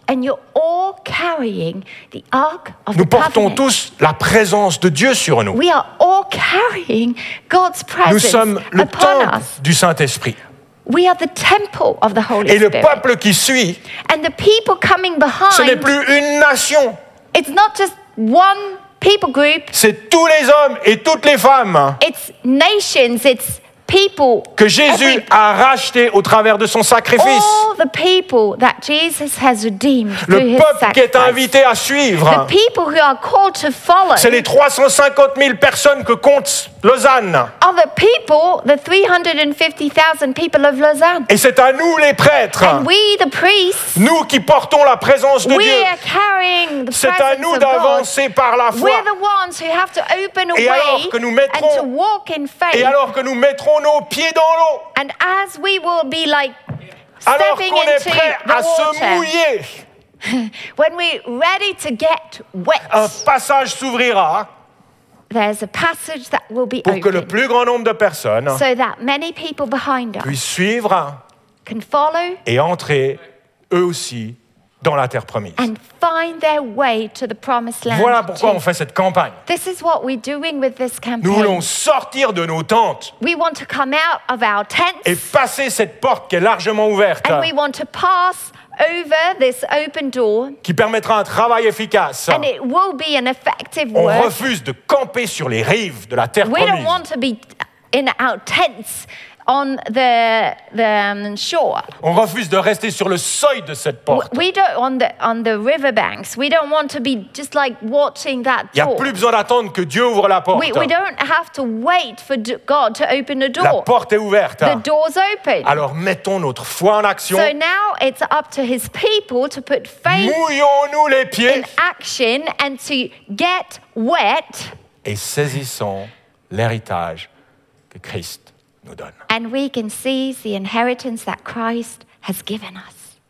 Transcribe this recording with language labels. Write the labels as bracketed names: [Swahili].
[English] And you're all carrying the ark of the covenant. [French] Nous portons tous la présence de Dieu sur nous. [English] We are all carrying God's presence. [French] Nous sommes le temple du Saint-Esprit. [English] We are the temple of the Holy Spirit. [French] Et le peuple qui suit. [English] And the people coming behind. [French] Ce n'est plus une nation. [English] It's not just one people group. [French] C'est tous les hommes et toutes les femmes. [English] It's nations, it's people. [French] Que Jésus a racheté au travers de son sacrifice. [English] All the people that Jesus has redeemed through his sacrifice. [French] Le peuple qui est invité à suivre. [English] The people who are called to follow. [French] C'est les 350 000 personnes que compte Lausanne. [English] Are the people, the 350,000 people of Lausanne. [French] Et c'est à nous les prêtres. [English] And we the priests. [French] Nous qui portons la présence de [English] we [French] Dieu. [English] We are carrying the presence. [French] C'est à nous d'avancer par la foi. [English] We're the ones who have to open a [French] et [English] way. [French] Alors que nous mettrons, [English] and to walk in faith. [French] Et alors que nous mettrons nos pieds dans l'eau. [English] And as we will be like stepping into the water. [French] Alors qu'on est prêt à se mouiller. [English] When we're ready to get wet. [French] Un passage s'ouvrira. [English] There's a passage that will be open. [French] Pour que le plus grand nombre de personnes [English] so that many people behind us [French] puissent suivre [English] can follow [French] et entrer eux aussi dans la terre promise. [English] And find their way to the promised land. [French] Voilà pourquoi on fait cette campagne. [English] This is what we're doing with this campaign. [French] Nous voulons sortir de nos tentes. [English] We want to come out of our tents. [French] Et passer cette porte qui est largement ouverte. [English] And we want to pass over this open door. [French] Qui permettra un travail efficace. [English] And it will be an effective work. [French] On refuse de camper sur les rives de la terre promise. [English] We don't want to be in our tents. On the shore. [French] On refuse de rester sur le seuil de cette porte. [English] We don't on the river banks. We don't want to be just like watching that door. [French] Il y a plus besoin d'attendre que Dieu ouvre la porte. [English] We don't have to wait for God to open the door. [French] La porte est ouverte. [English] The door's open. [French] Alors mettons notre foi en action. [English] So now it's up to his people to put faith. [French] Mouillons-nous les pieds. [English] In action and to get wet. [French] Et saisissons l'héritage que Christ nous donne. [English] And we can seize the inheritance that Christ has given us.